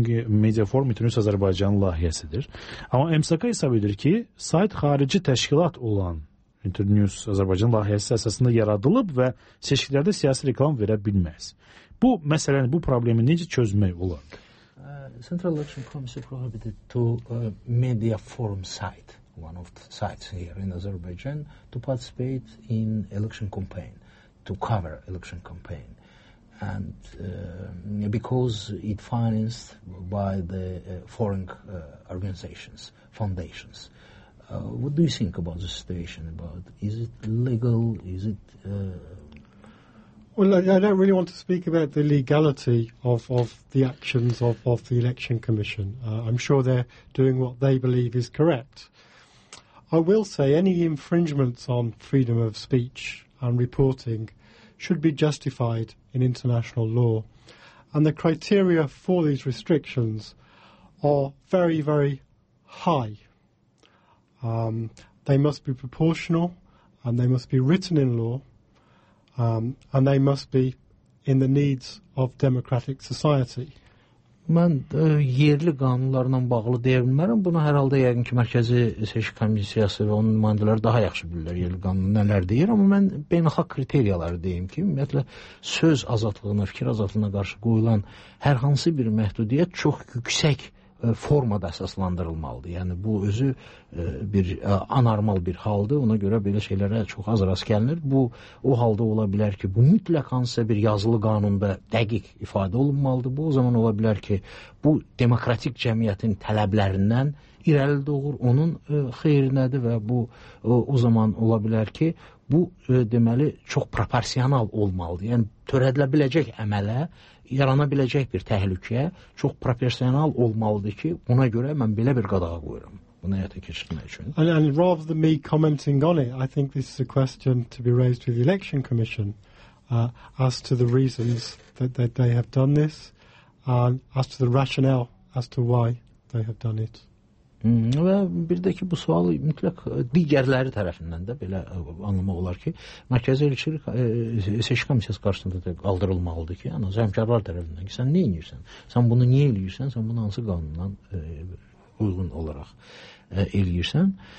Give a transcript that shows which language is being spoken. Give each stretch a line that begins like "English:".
Azerbaijani: Çünki Media Forum Internews Azərbaycanın layihəsidir. Amma MSK hesab edir ki, sayt xarici təşkilat olan Internews Azərbaycanın layihəsi əsasında yaradılıb və seçkilərdə siyasi reklam verə bilməz. Bu məsələni, bu problemi necə çözmək olar?
English: Central Election Commission prohibited to media forum site, one of the sites here in Azerbaijan, to participate in election campaign, to cover election campaign. And because it financed by the foreign organizations, foundations. What do you think about the situation? About is it legal? Is it... Well, I don't really want to speak about the legality of the actions of the Election Commission. I'm sure they're doing what they believe is correct. I will say any infringements on freedom of speech and reporting should be justified in international law. And the criteria for these restrictions are very, very high. They must be proportional and they must be written in law. And they must be in the needs of democratic society.
Azerbaijani: Mən yerli qanunlarla bağlı deyə bilmərəm. Bunu hər halda yəqin ki, Mərkəzi Seçki Komissiyası və onun nümayəndələri daha yaxşı bilirlər yerli qanun nələr deyir. Amma mən beynəlxalq kriteriyaları deyim ki, ümumiyyətlə, söz azadlığına, fikir azadlığına qarşı qoyulan hər hansı bir məhdudiyyət çox yüksək formada əsaslandırılmalıdır. Yəni bu özü bir anormal bir haldır. Ona görə belə şeylərə çox az rast gəlinir. Bu o halda ola bilər ki, bu mütləq hansısa bir yazılı qanunda dəqiq ifadə olunmalıdır. Bu o zaman ola bilər ki, bu demokratik cəmiyyətin tələblərindən irəli doğur, onun xeyrinədir və bu o zaman ola bilər ki, bu deməli çox proporsional olmalıdır. Yəni törədilə biləcək əmələ yarana biləcək bir təhlükəyə çox proporsional olmalıdır ki, buna görə mən belə bir qadağa qoyuram. Bunu həyata keçirmək üçün.
English: And rather than me commenting on it, I think this is a question to be raised with the Election Commission as to the reasons that they have done this and as to the rationale as to why they have done it.
Azerbaijani: Və bir də ki, bu sualı mütləq digərləri tərəfindən də belə anlamaq olar ki, Mərkəzi İlçilik Seçki Komissiyası qarşısında da qaldırılmalıdır ki, yəni zəhmkarlar tərəfindən ki, sən nə edirsən, sən bunu niyə edirsən, sən bunu hansı qanundan uyğun olaraq edirsən.